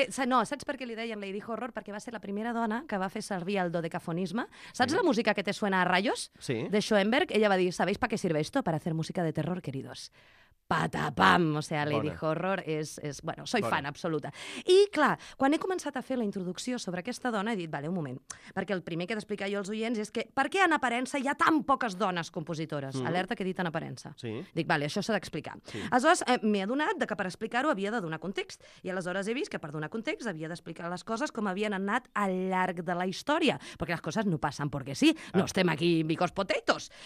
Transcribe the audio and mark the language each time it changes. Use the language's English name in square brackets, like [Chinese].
[Catalan] No, saps per què li deien Lady Horror? Perquè va ser la primera dona que va fer servir el dodecafonisme. ¿Saps la música que te suena a rayos? Sí. De Schoenberg. [Spanish] Ella va dir, ¿sabéis para qué sirve esto? Para hacer música de terror, queridos. Patapam! O sea, Lady Horror és... Bueno, soy fan absoluta. [Catalan] I, clar, quan he començat a fer la introducció sobre aquesta dona, he dit, vale, un moment, perquè el primer que he d'explicar jo als oients és que per què en aparença hi ha tan poques dones compositores? Mm-hmm. Alerta que he dit en aparença. Sí. Dic, vale, això s'ha d'explicar. Sí. Aleshores, m'he adonat que per explicar-ho havia de donar context i aleshores he vist que per donar context havia d'explicar les coses com havien anat al llarg de la història, perquè les coses no passen perquè sí, no estem aquí because potatoes.